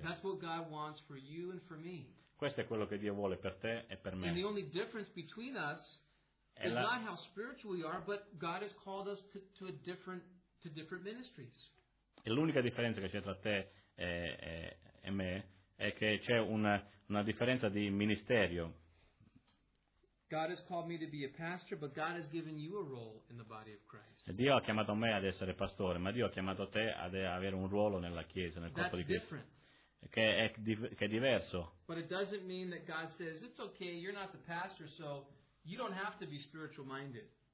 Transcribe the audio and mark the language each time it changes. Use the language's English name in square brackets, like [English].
[English] That's what God wants for you and for me. [Italian] Questo è quello che Dio vuole per te e per me. [English] And the only difference between us is not how spiritual we are, but God has called us to different ministries. [Italian] E l'unica differenza che c'è tra te e me, è che c'è una differenza di ministerio. [English] God has called me to be a pastor, but God has given you a role in the body of Christ. [Italian] Dio ha chiamato me ad essere pastore, ma Dio ha chiamato te ad avere un ruolo nella chiesa, nel corpo di Cristo. Che è diverso. [English] But it doesn't mean that God says it's okay, you're not the pastor, so you don't have to be spiritual minded.